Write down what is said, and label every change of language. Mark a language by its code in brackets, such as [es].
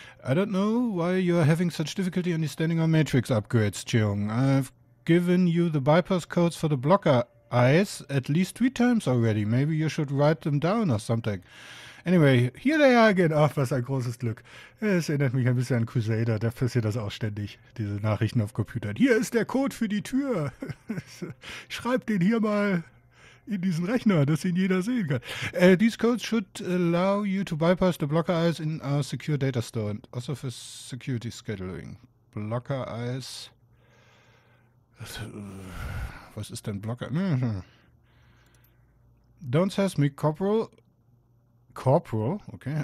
[en] I don't know why you're having such difficulty understanding our matrix upgrades, Cheung. I've given you the bypass codes for the blocker eyes at least 3 times already. Maybe you should write them down or something. Anyway, here they are again. [de] Ach, was ein großes Glück. Es erinnert mich ein bisschen an Crusader. Da passiert das auch ständig, diese Nachrichten auf Computern. Hier ist der Code für die Tür. Schreib den hier mal in diesen Rechner, dass ihn jeder sehen kann. [en] These codes should allow you to bypass the blocker eyes in our secure data store and also for security scheduling. Blocker eyes. [de] Was ist denn Blocker? [en] Don't test me, Corporal. Corporal? Okay.